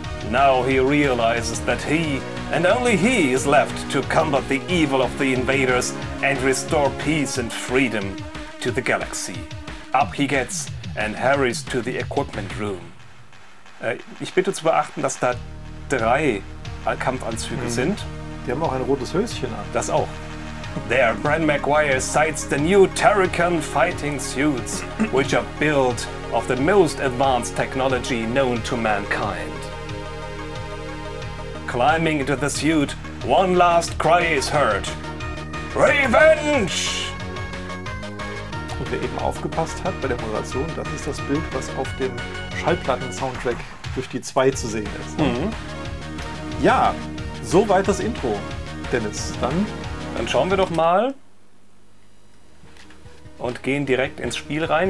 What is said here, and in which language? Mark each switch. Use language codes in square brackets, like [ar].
[en] Now he realizes that he, and only he, is left to combat the evil of the invaders and restore peace and freedom to the galaxy. Up he gets and hurries to the equipment room. [de] Ich bitte zu beachten, dass da drei Kampfanzüge sind. Die haben auch ein rotes Höschen an. Das auch. [en] There, Bran McGuire sights the new Tarrakan fighting suits, which are built of the most advanced technology known to mankind. Climbing into the suit, one last cry is heard. Revenge! [de] Und wer eben aufgepasst hat bei der Moderation, das ist das Bild, was auf dem Schallplatten-Soundtrack durch die 2 zu sehen ist. Mhm. Ja, soweit das Intro, Dennis. Dann schauen wir doch mal und gehen direkt ins Spiel rein.